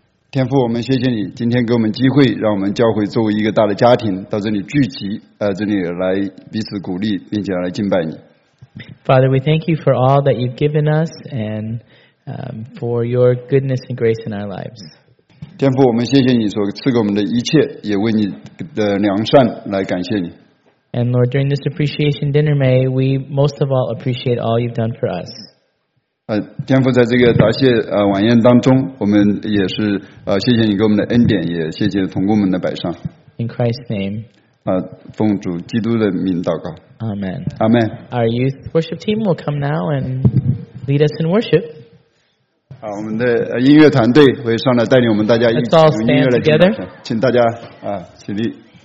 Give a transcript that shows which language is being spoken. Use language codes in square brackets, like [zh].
[zh] 天父，我们谢谢你今天给我们机会，让我们教会作为一个大的家庭到这里聚集，这里来彼此鼓励，并且来敬拜你。 [en] Father, we thank you for all that you've given us and for your goodness and grace in our lives. [zh] 天父，我们谢谢你所赐给我们的一切，也为你的良善来感谢你。 [en] And Lord, during this appreciation dinner, may we most of all appreciate all you've done for us. [zh] 天父，在这个答谢晚宴当中，我们也是谢谢你给我们的恩典，也谢谢同工们的摆上。 [en] In Christ's name. [zh] 奉主基督的名祷告。 [en] Amen. Amen. Our youth worship team will come now and lead us in worship. [zh] 好，我们的音乐团队会上来带领我们大家一起用音乐来敬拜神，请大家起立。